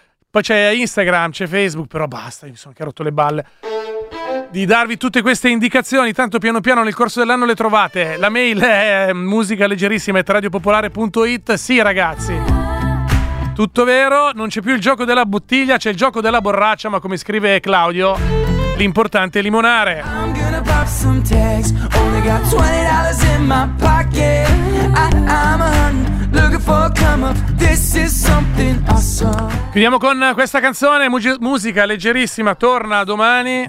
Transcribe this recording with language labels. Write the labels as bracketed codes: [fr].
[it] Poi c'è Instagram, c'è Facebook, però basta, insomma, che ho rotto le balle di darvi tutte queste indicazioni, tanto piano piano nel corso dell'anno le trovate. La mail è musicaleggerissima@radiopopolare.it. Sì, ragazzi, tutto vero, non c'è più il gioco della bottiglia, c'è il gioco della borraccia, ma come scrive Claudio, l'importante è limonare. [en] I'm gonna pop some tags, only got $20 in my pocket. I'm a hunt, looking for a come up, this is something awesome. [it] Chiudiamo con questa canzone, musica leggerissima, torna domani.